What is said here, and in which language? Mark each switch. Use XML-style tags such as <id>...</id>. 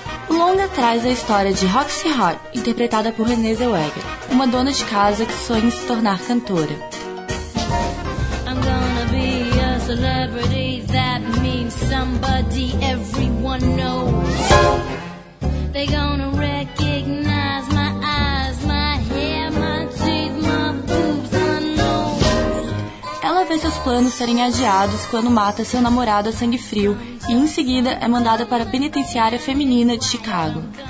<pt>O longa traz a história de Roxy Hart, interpretada por Renée Zellweger, uma dona de casa que sonha em se tornar cantora.</pt> <en>I'm gonna be a celebrity. Somebody everyone knows. They gonna recognize my eyes, my hair, my teeth, my boobs, my nose.</en> <pt>Ela vê seus planos serem adiados quando mata seu namorado a sangue frio e em seguida é mandada para a penitenciária feminina de Chicago.</pt>